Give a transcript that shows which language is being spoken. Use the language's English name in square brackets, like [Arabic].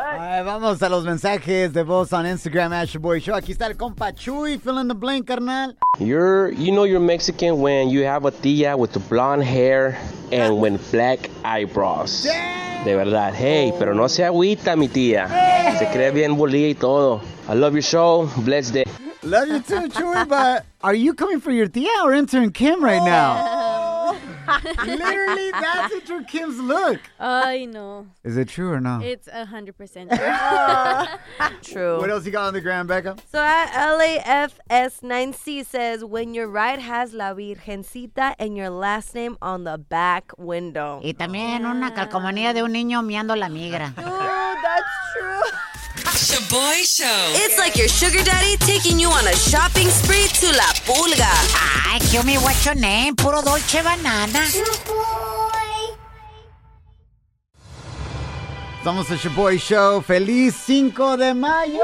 [Spanish] Right, vamos a los mensajes de voz on Instagram, Sha'Boy Show. Aquí está el compa Chuy, [English] fill in the blank, [Spanish] carnal. [English] You know you're Mexican when you have a tía with blonde hair and when black eyebrows. Damn. [Spanish] De verdad. Hey, pero no se agüita, mi tía. [English] Hey. [Spanish] Se cree bien bolilla y todo. [English] I love your show. Bless the... Love you too, Chuy, but are you coming for your tía or intern Kim right now? Literally, that's a true Kim's look. I know. Is it true or no? It's 100% true. True. What else you got on the gram, Becca? So at LAFS9C says, when your ride has la virgencita and your last name on the back window. [Spanish] Y también una calcomanía de un niño miando la migra. [English] Dude, that's true. Sha'Boy Show. It's like your sugar daddy taking you on a shopping spree to La Pulga. Ay, kill me, what's your name? Puro Dolce Banana. Sha'Boy. It's almost a Sha'Boy Show. [Spanish] Feliz Cinco de Mayo.